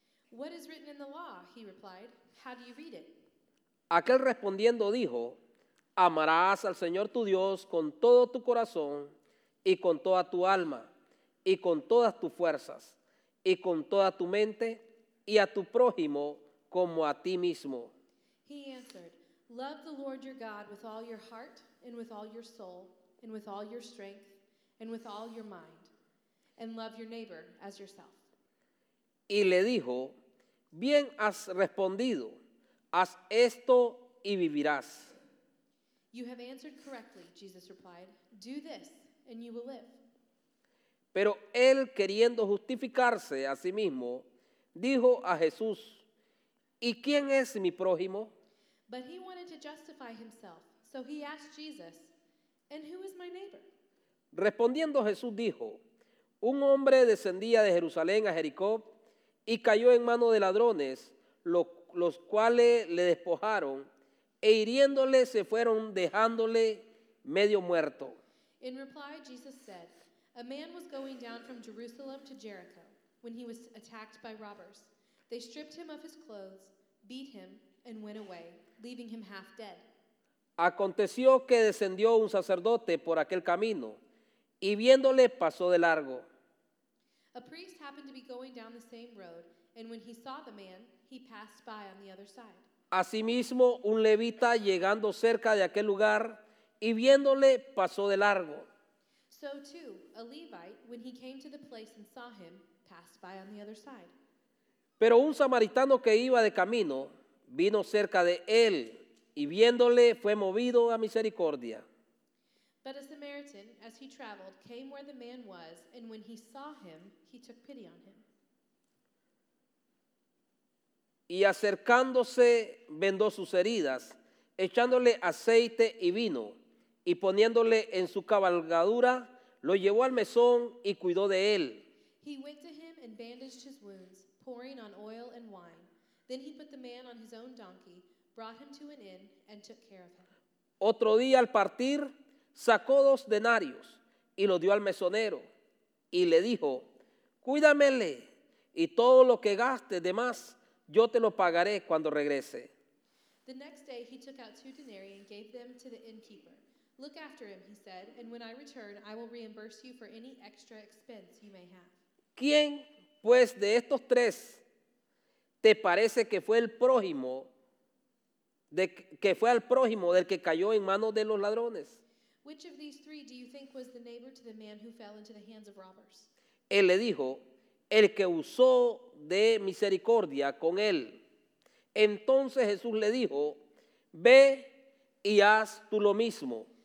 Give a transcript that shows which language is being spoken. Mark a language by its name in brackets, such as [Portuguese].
[English] What is written in the law? He replied, How do you read it? [Spanish] Aquel respondiendo dijo, Amarás al Señor tu Dios con todo tu corazón y con toda tu alma y con todas tus fuerzas y con toda tu mente y a tu prójimo como a ti mismo. [English] He answered, Love the Lord your God with all your heart and with all your soul and with all your strength and with all your mind and love your neighbor as yourself. [Spanish] Y le dijo, Bien has respondido. Haz esto y vivirás. [English] You have answered correctly, Jesus replied. Do this and you will live. [Spanish] Pero él queriendo justificarse a sí mismo, dijo a Jesús, ¿Y quién es mi prójimo? [English] But he wanted to justify himself, so he asked Jesus, And who is my neighbor? [Spanish] Respondiendo Jesús dijo, Un hombre descendía de Jerusalén a Jericó y cayó en mano de ladrones, los cuales le despojaron e hiriéndole se fueron dejándole medio muerto. [English] In reply, Jesus said, A man was going down from Jerusalem to Jericho when he was attacked by robbers. They stripped him of his clothes, beat him, and went away, leaving him half dead. [Spanish] Aconteció que descendió un sacerdote por aquel camino y viéndole pasó de largo. [English] A priest happened to be going down the same road, and when he saw the man, he passed by on the other side. [Spanish] Asimismo, un levita llegando cerca de aquel lugar y viéndole pasó de largo. [English] So too, a Levite, when he came to the place and saw him, passed by on the other side. [Spanish] Pero un samaritano que iba de camino vino cerca de él y viéndole fue movido a misericordia. [English] But a Samaritan, as he traveled, came where the man was, and when he saw him, he took pity on him. [Spanish] Y acercándose, vendó sus heridas, echándole aceite y vino, y poniéndole en su cabalgadura, lo llevó al mesón y cuidó de él. [English] He went to him and bandaged his wounds, pouring on oil and wine. Then he put the man on his own donkey, brought him to an inn, and took care of him. [Spanish] Otro día al partir, sacó dos denarios y los dio al mesonero, y le dijo, Cuídamele, y todo lo que gaste de más, Yo te lo pagaré cuando regrese. [English] The next day he took out two denarii and gave them to the innkeeper. Look after him, he said, and when I return, I will reimburse you for any extra expense you may have. [Spanish] ¿Quién, pues, de estos tres ¿Te parece que fue el prójimo de que fue al prójimo del que cayó en manos de los ladrones? [English] Which of these three do you think was the neighbor to the man who fell into the hands of robbers? [Spanish] Él le dijo, el que usó de misericordia con él. Entonces Jesús le dijo, ve y haz tú lo mismo.